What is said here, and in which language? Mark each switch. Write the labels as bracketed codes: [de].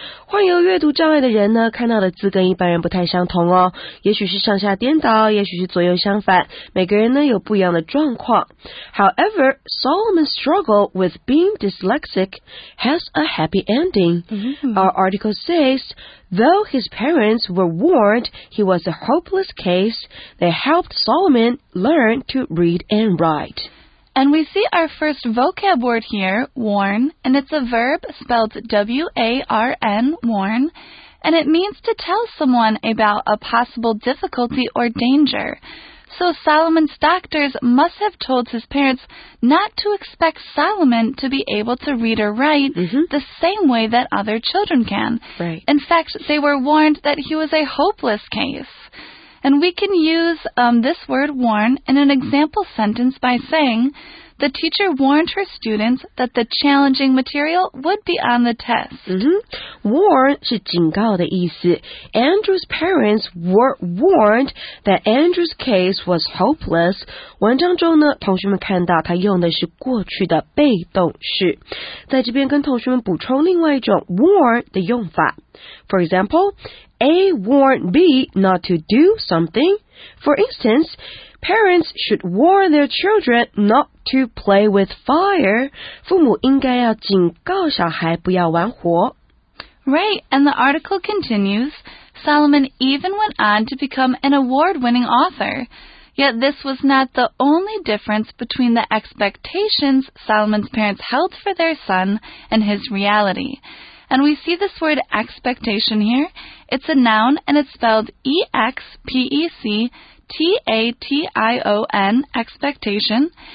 [zh] 患有阅读障碍的人呢，看到的字跟一般人不太相同哦，也许是上下颠倒，也许是左右相反，每个人呢有不一样的状况。 [en] However, Solomon's struggle with being dyslexic has a happy ending. Our article says, though his parents were warned he was a hopeless case, they helped Solomon learn to read and write. And we see our first vocab word here, warn, and it's a verb spelled W-A-R-N, warn, and it means to tell someone about a possible difficulty or danger. So Solomon's doctors must have told his parents not to expect Solomon to be able to read or write the same way that other children can. Right. In fact, they were warned that he was a hopeless case. And we can use this word warn in an example sentence by saying, the teacher warned her students that the challenging material would be on the test. [zh] Warn 是警告的意思。 [en] Andrew's parents were warned that Andrew's case was hopeless. [zh] 文章中呢，同学们看到他用的是过去的被动式。在这边跟同学们补充另外一种 warn 的用法。 [en] For example,A warned B not to do something. For instance, parents should warn their children not to play with fire. [zh] 父母应该要警告小孩不要玩火。 [en] Right, and the article continues, Solomon even went on to become an award-winning author. Yet this was not the only difference between the expectations Solomon's parents held for their son and his reality. And we see this word expectation here. It's a noun and it's spelled E-X-P-E-C-T-A-T-I-O-N, expectation.